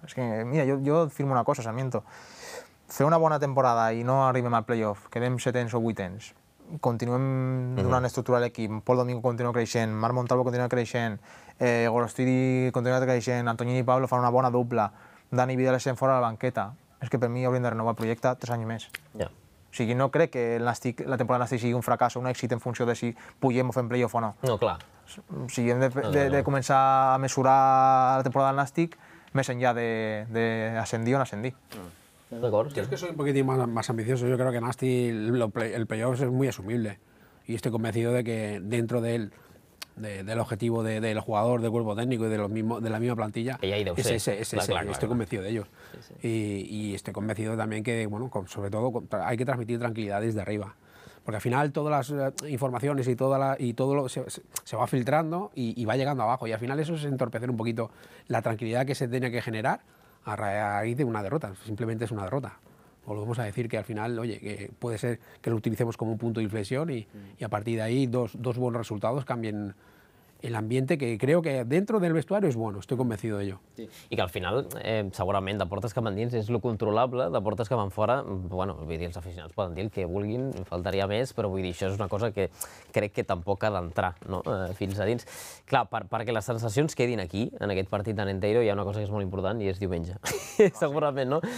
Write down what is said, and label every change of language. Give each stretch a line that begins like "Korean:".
Catalan: És que, mira, jo et firmo una cosa, Sarmiento. Fer una bona temporada i no arribem al play-off, quedem 7ens o 8ens, continuem donant estructura a l'equip, Pol Domingo continua creixent, Marc Montalvo continua creixent, Gorostidi continua creixent, Antonini i Pablo fan una bona dupla, Dani Vidal sent fora de la banqueta, és que per mi hauríem de renovar el projecte 3 anys més. O sigui, no crec que la temporada del Nàstic sigui un fracàs o un èxit en funció de si pugem o fem play-off o no. No, clar. O sigui, hem de començar a mesurar la temporada del Nàstic més enllà d'ascendir o no ascendir. D'acord. Jo és que
Spanish: soy un poquitín más ambicioso. Yo creo que Nasti, el play-off es muy asumible. Y estoy convencido de que dentro de él, del objetivo del jugador, del cuerpo técnico y de la misma plantilla, estoy convencido de ellos. Y estoy convencido también que, bueno, sobre todo, hay que transmitir tranquilidad desde arriba. Porque al final todas las informaciones y todo se va filtrando y va llegando abajo. Y al final eso es entorpecer un poquito la tranquilidad que se tenía que generar a raíz de una derrota, simplemente es una derrota. Volvemos a decir que al final, oye, que puede ser que lo utilicemos como un punto de inflexión y a partir de ahí dos buenos resultados cambien el ambiente, que creo que dentro del vestuario es bueno, estoy convencido de ello. Sí.
Catalan: I que al final, segurament, de portes que van dins és el controlable, de portes que van fora, bueno, vull dir, els aficionats poden dir el que vulguin, faltaria més, però vull dir, això és una cosa que crec que tampoc ha d'entrar, no? Fins a dins. Clar, perquè les sensacions quedin aquí, en aquest partit de Nenteiro, hi ha una cosa que és molt important i és diumenge. Segurament, no?